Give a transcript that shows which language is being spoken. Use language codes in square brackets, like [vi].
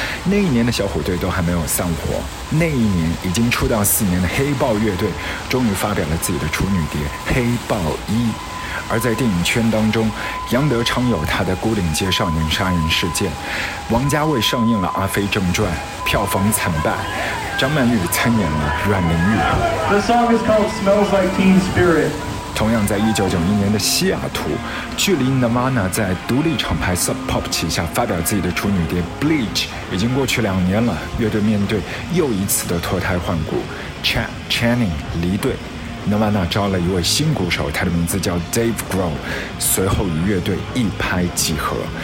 [zh] 那一年的小虎队都还没有散伙，那一年已经出道四年的黑豹乐队终于发表了自己的处女碟《黑豹一》。而在电影圈当中，杨德昌有他的《孤岭街少年杀人事件》，王家卫上映了《阿飞正传》，票房惨败，张曼玉参演了《阮玲玉》。 [en] The song is called "Smells Like Teen Spirit." [zh] 同样在1991年的西雅图，距离 Nirvana 在独立厂牌 Sub Pop 旗下发表自己的处女碟 Bleach 已经过去两年了，乐队面对又一次的脱胎换骨， Chad Channing 离队， Nirvana 招了一位新鼓手，他的名字叫 Dave Grohl， 随后与乐队一拍即合。